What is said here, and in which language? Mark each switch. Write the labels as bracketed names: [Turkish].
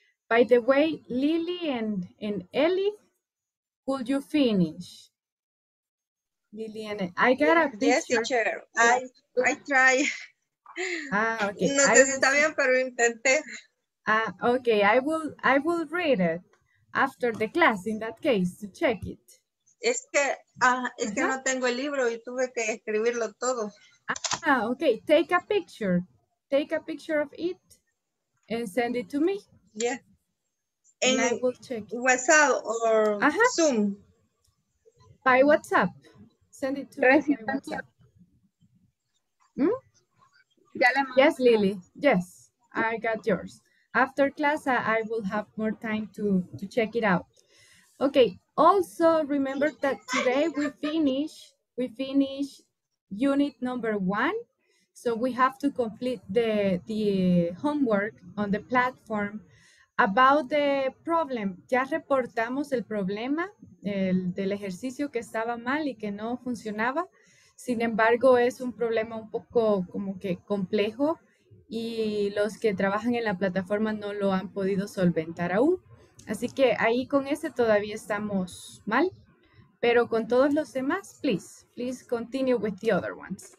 [English] By the way, Lily and Ellie, could you finish? Liliana, I got a picture. Yes, teacher. I try. Ah, okay. [Spanish] No sé si está bien, pero intenté. Ah, okay. [English] I will read it after the class in that case to check it. [Spanish] Es que no tengo el libro y tuve que escribirlo todo. [English] Ah, okay. Take a picture. Take a picture of it and send it to me. Yeah. And I will check it. WhatsApp or Zoom. By WhatsApp. Send it to me. Yes, Lily. Yes, I got yours. After class, I will have more time to check it out. Okay. Also, remember that today we finish unit number one. So we have to complete the homework on the platform about the problem. [Spanish] Ya reportamos el problema. Del ejercicio que estaba mal y que no funcionaba. Sin embargo, es un problema un poco como que complejo y los que trabajan en la plataforma no lo han podido solventar aún. Así que ahí con ese todavía estamos mal, pero con todos los demás, [English] please continue with the other ones.